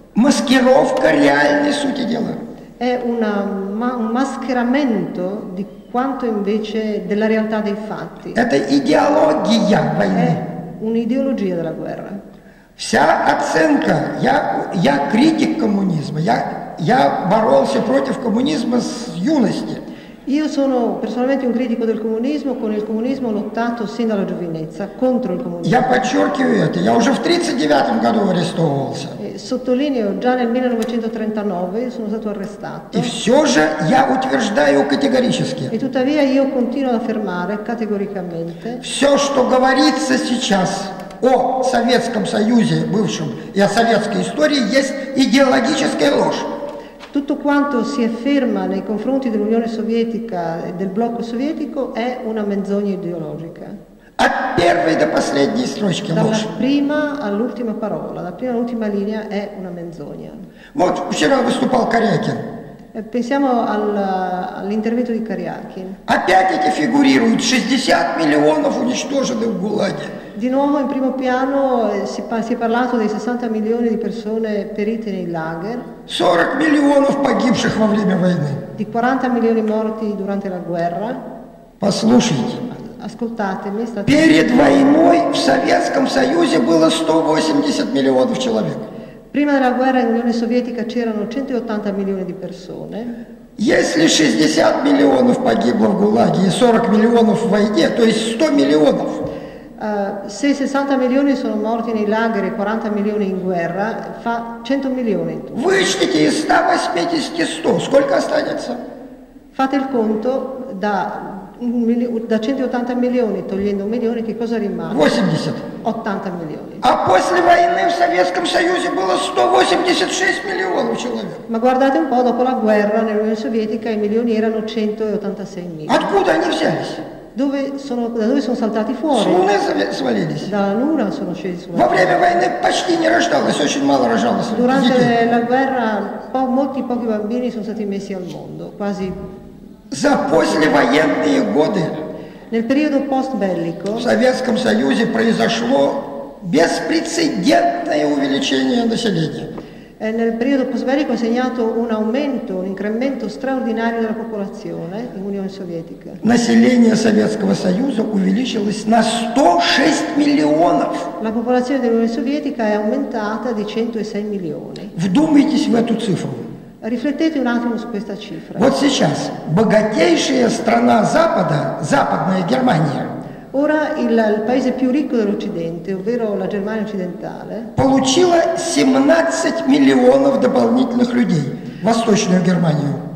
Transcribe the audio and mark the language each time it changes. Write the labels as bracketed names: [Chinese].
[Russian] Маскировка реальной сути дела. [Italian] È un mascheramento di quanto invece della realtà dei fatti. [Russian] Это идеология войны. [Italian] È un'ideologia della guerra. [Russian] Вся оценка, я критик коммунизма, я боролся против коммунизма с юности. [Italian] Io sono personalmente un critico del comunismo, con il comunismo ho lottato sin dalla giovinezza contro il comunismo. [Russian] Я подчеркиваю это, я уже в 39 году арестовывался. [Italian] Sottolineo, già nel 1939 sono stato arrestato. [Russian] И все же я утверждаю категорически. [Italian] E tuttavia io continuo ad affermare categoricamente. [Russian] Все, что говорится сейчас о Советском Союзе бывшем и о советской истории, есть идеологическая ложь. [Italian] Tutto quanto si afferma nei confronti dell'Unione Sovietica e del blocco sovietico è una menzogna ideologica. [Russian] От первой до последней строчки ложь. [Italian] Dalla prima all'ultima parola, dalla prima all'ultima linea è una menzogna. [Russian] Вот вчера выступал Карякин. [Italian] Pensiamo all'intervento di Карякин. [Russian] Опять эти фигурируют 60 миллионов уничтожены в ГУЛАГе. [Italian] Di nuovo in primo piano si è parlato dei 60 milioni di persone perite nei lager. [Russian] 40 миллионов погибших во время войны. [Italian] Di 40 milioni morti durante la guerra. [Russian] Послушайте. [Italian] Ascoltatemi. [Russian] Перед войной в Советском Союзе было 180 миллионов человек. [Italian] Prima della guerra in Unione Sovietica c'erano 180 milioni di persone. [Russian] Если 60 миллионов погибло в ГУЛАГе и 40 миллионов в войне, то есть 100 миллионов. [Italian] Se 60 milioni sono morti nei lager e 40 milioni in guerra, fa 100 milioni. [Russian] Вычтите из 180 100, сколько останется? [Italian] Fate il conto, da 180 milioni togliendo un milione, che cosa rimane? [Russian] 80. [Italian] 80 milioni. [Russian] А после войны в Советском Союзе было 186 миллионов человек. [Italian] Ma guardate un po', dopo la guerra nell'Unione Sovietica i milioni erano 186 milioni. [Russian] Откуда они взялись? [Italian] Da dove sono saltati fuori? [Russian] С Луны свалились. [Italian] Da Luna sono scesi. [Russian] Во время войны почти не рождалось, очень мало рождалось. [Italian] Durante la guerra pochi bambini sono stati messi al mondo, quasi. [Russian] За послевоенные годы. [Italian] Nel periodo postbellico. [Russian] В Советском Союзе произошло беспрецедентное увеличение населения. [Italian] Nel periodo postbellico ha segnato un aumento, un incremento straordinario della popolazione in Unione Sovietica. [Russian] Население Советского Союза увеличилось на 106 миллионов. [Italian] La popolazione dell'Unione Sovietica è aumentata di 106 milioni. [Russian] Вдумайтесь в эту цифру. [Italian] Riflettete un attimo su questa cifra. [Russian] Вот сейчас богатейшая страна Запада, Западная Германия. [Italian] Ora il paese più ricco dell'Occidente, ovvero la Germania occidentale, [Russian] получила 17 миллионов дополнительных людей в Восточную Германию.